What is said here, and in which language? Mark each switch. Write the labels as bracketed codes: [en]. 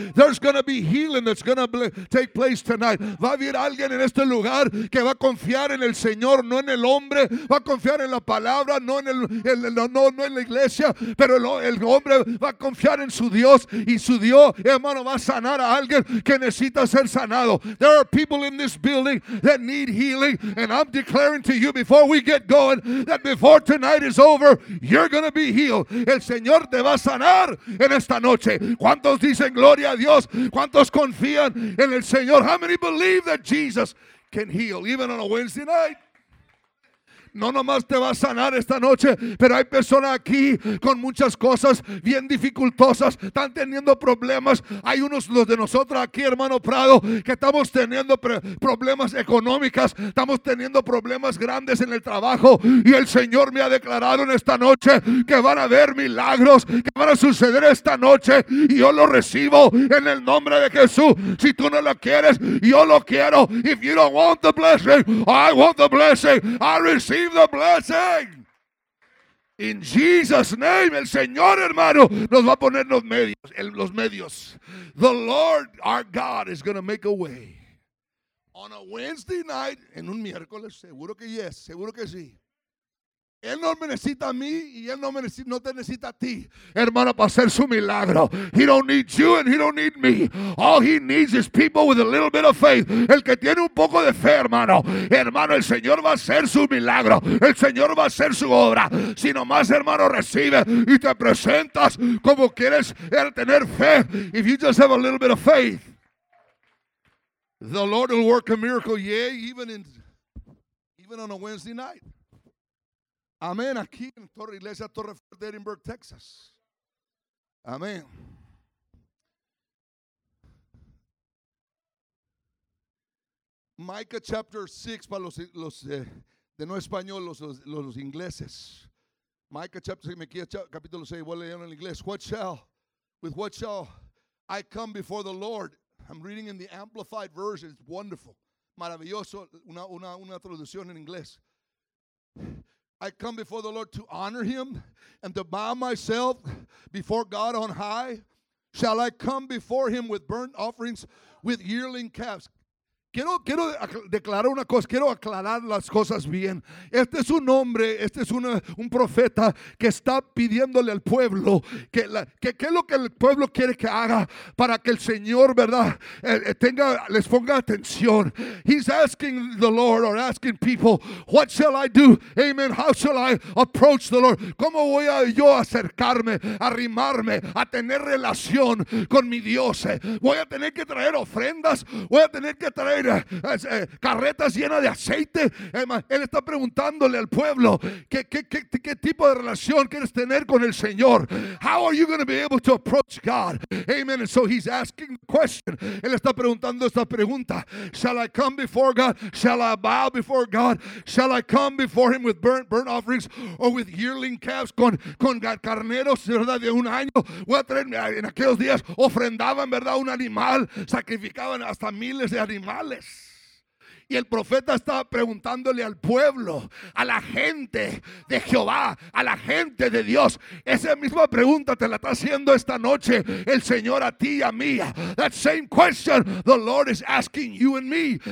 [en] There's going to be healing that's going to take place tonight. [es] Va a haber alguien en este lugar que va a confiar en el Señor, no en el hombre. Va a confiar en la palabra, no en el, no, no, no en el iglesia, pero el hombre va a confiar en su Dios, y su Dios, hermano, va a sanar a alguien que necesita ser sanado. [en] There are people in this building that need healing, and I'm declaring to you before we get going that before tonight is over, you're going to be healed. [es] El Señor te va a sanar en esta noche. ¿Cuántos dicen gloria a Dios? ¿Cuántos confían en el Señor? [en] How many believe that Jesus can heal even on a Wednesday night? [es] No nomás te va a sanar esta noche, pero hay personas aquí con muchas cosas bien dificultosas, están teniendo problemas. Hay unos, los de nosotros aquí, hermano Prado, que estamos teniendo problemas económicos, estamos teniendo problemas grandes en el trabajo, y el Señor me ha declarado en esta noche que van a haber milagros que van a suceder esta noche, y yo lo recibo en el nombre de Jesús. Si tú no lo quieres, yo lo quiero. [en] If you don't want the blessing, I want the blessing. I receive the blessing in Jesus' name. [es] El Señor, hermano, nos va a poner los medios. [en] The Lord our God is going to make a way on a Wednesday night. [es] En un miércoles, seguro que yes, seguro que sí. Él no me necesita a mí, y Él no te necesita a ti, hermano, para hacer su milagro. [en] He don't need you and He don't need me. All He needs is people with a little bit of faith. [es] El que tiene un poco de fe, hermano. Hermano, el Señor va a hacer su milagro. El Señor va a hacer su obra. Si nomás, hermano, recibe y te presentas como quieres tener fe. [en] If you just have a little bit of faith, the Lord will work a miracle, yeah, even on a Wednesday night. [es] Amén, aquí en Torre Iglesia, Torre Fuerte, Edinburg, Texas. Amén. [en] Micah chapter 6, [es] para los de no español, los ingleses. [en] Micah chapter 6, [es] capítulo 6, voy a leer en inglés. [en] With what shall I come before the Lord? I'm reading in the Amplified Version. It's wonderful. [es] Maravilloso, una traducción en inglés. [en] I come before the Lord to honor Him and to bow myself before God on high. Shall I come before Him with burnt offerings, with yearling calves? [es] Quiero declarar una cosa, quiero aclarar las cosas bien. Este es un hombre, este es un profeta que está pidiéndole al pueblo que es lo que el pueblo quiere que haga para que el Señor, ¿verdad?, tenga, les ponga atención. [en] He's asking the Lord, or asking people, what shall I do? Amen. How shall I approach the Lord? [es] ¿Cómo voy a yo acercarme, arrimarme, a tener relación con mi Dios? ¿Voy a tener que traer ofrendas? ¿Voy a tener que traer carretas llenas de aceite? Él está preguntándole al pueblo qué tipo de relación quieres tener con el Señor. [en] How are you going to be able to approach God? Amen. And so he's asking the question. [es] Él está preguntando esta pregunta. [en] Shall I come before God? Shall I bow before God? Shall I come before Him with burnt offerings or with yearling calves? [es] Con carneros, ¿verdad?, de un año. Voy a traer, en aquellos días ofrendaban, ¿verdad?, un animal, sacrificaban hasta miles de animales. Y el profeta estaba preguntándole al pueblo, a la gente de Jehová, a la gente de Dios. Esa misma pregunta te la está haciendo esta noche el Señor a ti y a mí. [en] That same question the Lord is asking you and me.